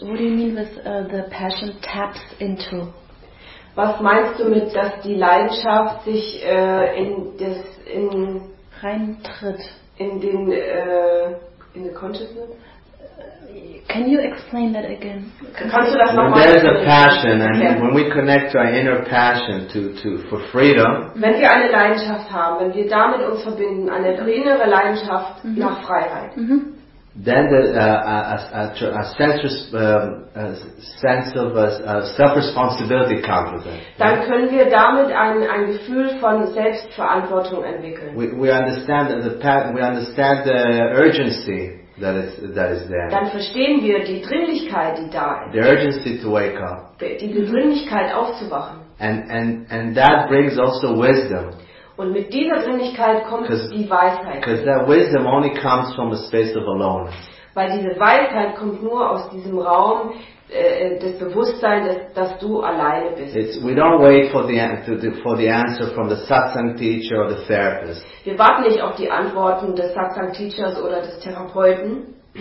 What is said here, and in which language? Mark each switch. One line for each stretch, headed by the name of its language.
English: What do you mean with the passion taps into?
German: Was meinst du mit, dass die Leidenschaft sich in reintritt in den
English: in the consciousness? Can you explain that again?
German: Kannst du das nochmal?
English: When there is a passion, and when we connect to our inner passion to for freedom.
German: Wenn wir eine Leidenschaft haben, wenn wir damit uns verbinden, eine innere Leidenschaft nach Freiheit.
English: Then a sense of self-responsibility comes with it.
German: Dann können wir damit ein Gefühl von Selbstverantwortung entwickeln.
English: We understand the urgency that is there.
German: Dann verstehen wir die Dringlichkeit, die da ist.
English: The urgency to wake up.
German: Die Dringlichkeit aufzuwachen.
English: And that brings also wisdom.
German: Und mit dieser Dringlichkeit kommt die Weisheit.
English: Because that wisdom only comes from a space of alone.
German: Weil diese Weisheit kommt nur aus diesem Raum des Bewusstseins, dass du alleine bist.
English: We don't wait for the answer from the satsang teacher or the therapist.
German: Wir warten nicht auf die Antworten des satsang teachers oder des Therapeuten.